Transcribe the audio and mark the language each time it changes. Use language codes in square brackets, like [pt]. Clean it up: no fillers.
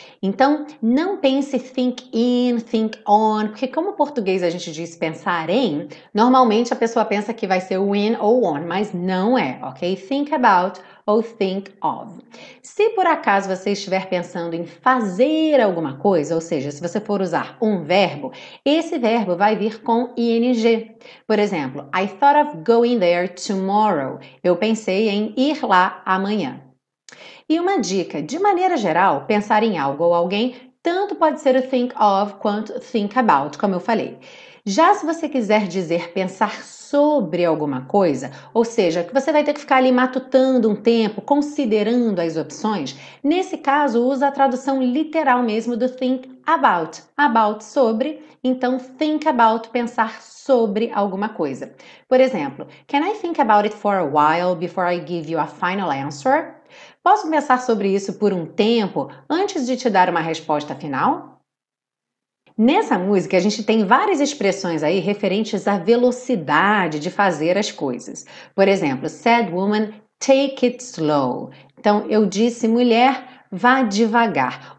[pt] Então, não pense think in, think on, porque como o português a gente diz pensar em, normalmente a pessoa pensa que vai ser o in ou on, mas não é, ok? Think about ou think of. Se por acaso você estiver pensando em fazer alguma coisa, ou seja, se você for usar um verbo, esse verbo vai vir com ing. Por exemplo, [en] I thought of going there tomorrow. [pt] Eu pensei em ir lá amanhã. E uma dica, de maneira geral, pensar em algo ou alguém, tanto pode ser o think of quanto think about, como eu falei. Já se você quiser dizer pensar sobre alguma coisa, ou seja, que você vai ter que ficar ali matutando um tempo, considerando as opções, nesse caso usa a tradução literal mesmo do think about, about sobre, então think about pensar sobre alguma coisa. Por exemplo, [en] can I think about it for a while before I give you a final answer? [pt] Posso pensar sobre isso por um tempo antes de te dar uma resposta final? Nessa música, a gente tem várias expressões aí referentes à velocidade de fazer as coisas. Por exemplo, [en] sad woman, take it slow. [pt] Então, eu disse, mulher, vá devagar.